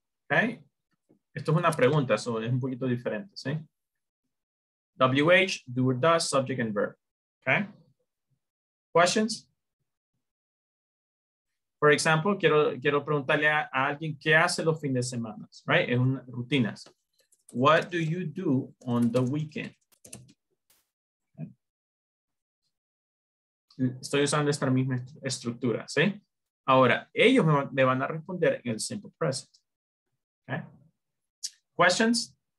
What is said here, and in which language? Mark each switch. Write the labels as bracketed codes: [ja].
[es] Okay, esto es una pregunta, so es un poquito diferente. [en] See, WH, do or does, subject and verb. Okay, questions? For example, [es] quiero preguntarle a alguien qué hace los fines de semana, right? Es una rutina. [en] What do you do on the weekend? [es] Estoy usando esta misma estructura, ¿sí? Ahora, ellos me van a responder en el simple present. Okay. Questions?